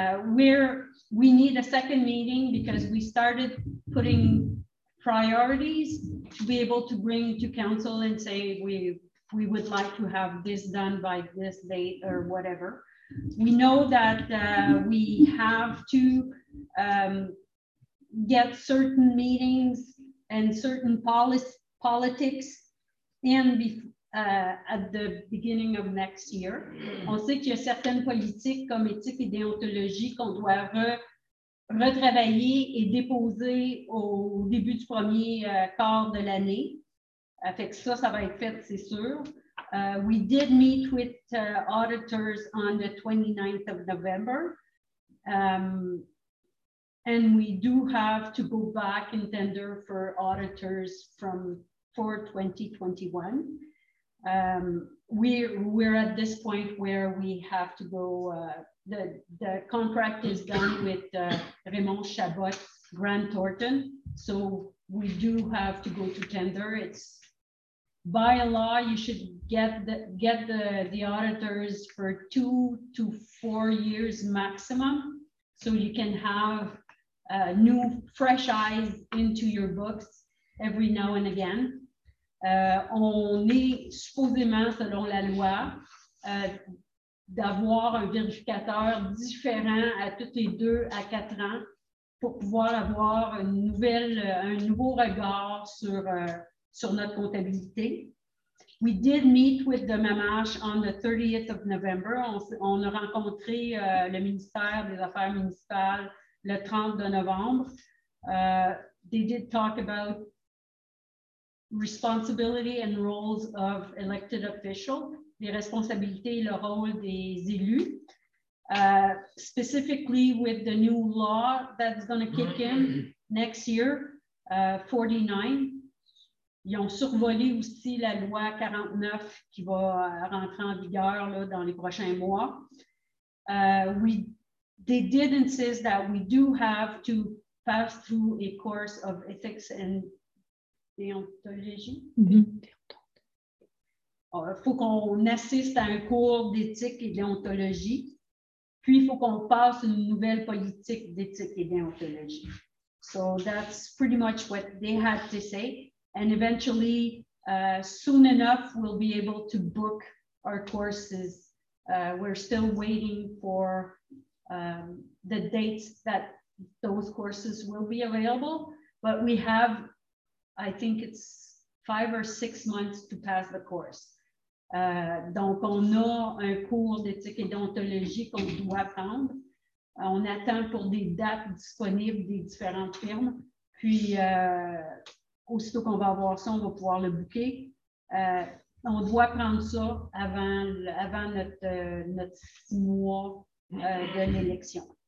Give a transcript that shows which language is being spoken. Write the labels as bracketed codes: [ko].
[en] We need a second meeting because we started putting priorities to be able to bring to council and say we would like to have this done by this date or whatever. We know that we have to get certain meetings and certain politics in at the beginning of next year. [fr] On sait qu'il y a certaines politiques comme éthique et déontologie qu'on doit retravailler et déposer au début du premier quart de l'année. Fait que ça va être fait, c'est sûr. [en] We did meet with auditors on the 29th of November. And we do have to go back and tender for auditors for 2021. We're at this point where we have to go. The contract is done with Raymond Chabot, Grant Thornton. So we do have to go to tender. It's by law, you should get the auditors for 2 to 4 years maximum, so you can have new, fresh eyes into your books every now and again. [fr] On est supposément, selon la loi, d'avoir un vérificateur différent à toutes les 2 à 4 ans pour pouvoir avoir un nouveau regard sur notre comptabilité. [en] We did meet with the MAMASH on the 30th of November. [fr] On a rencontré le ministère des Affaires municipales le 30 de novembre. [en] They did talk about responsibility and roles of elected officials, [fr] les responsabilités et le rôle des élus. [en] Specifically with the new law that's going to kick in next year, 49. [fr] Ils ont survolé aussi la loi 49 qui va rentrer en vigueur là, dans les prochains mois. [en] They did insist that we do have to pass through a course of ethics and déontologie. [fr] Il faut qu'on assiste à un cours d'éthique et déontologie, puis il faut qu'on passe une nouvelle politique d'éthique et déontologie. [en] So that's pretty much what they had to say. And eventually, soon enough, we'll be able to book our courses. We're still waiting for the dates that those courses will be available. But we have, I think it's 5 or 6 months to pass the course. [fr] Donc, on a un cours d'éthique et d'ontologie qu'on doit prendre. On attend pour des dates disponibles des différentes firmes. Puis, aussitôt qu'on va avoir ça, on va pouvoir le booker. On doit prendre ça avant notre 6 mois de l'élection.